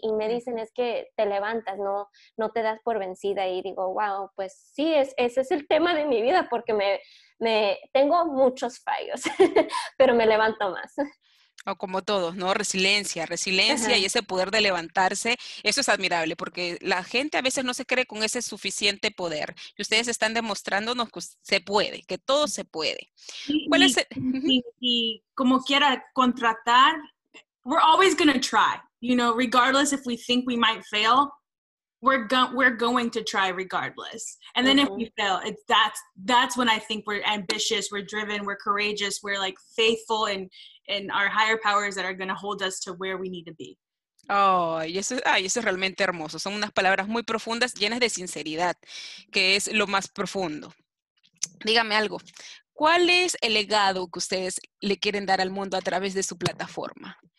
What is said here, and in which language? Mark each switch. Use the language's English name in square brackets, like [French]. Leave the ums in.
[Spanish] Y me dicen es que te levantas, no, no te das por vencida y digo, wow, pues sí, es, ese es el tema de mi vida porque me, me tengo muchos fallos, pero me levanto más. O como todos, ¿no? Resilencia, resiliencia, resiliencia uh -huh. y ese poder de levantarse, eso es admirable, porque la gente a veces no se cree con ese suficiente poder. Y ustedes están demostrándonos que se puede, que todo se puede. Y, ¿Cuál es y, y, como quiera contratar, [English] we're always going to try, you know, regardless if we think we might fail, We're, go we're going to try regardless. And then uh -huh. if we fail, that's that's when I think we're ambitious, we're driven, we're courageous, we're like faithful in in our higher powers that are going to hold us to where we need to be. [Spanish] Oh, y eso, ay, eso es realmente hermoso. Son unas palabras muy profundas, llenas de sinceridad, que es lo más profundo. Dígame algo. ¿Cuál es el legado que ustedes le quieren dar al mundo a través de su plataforma?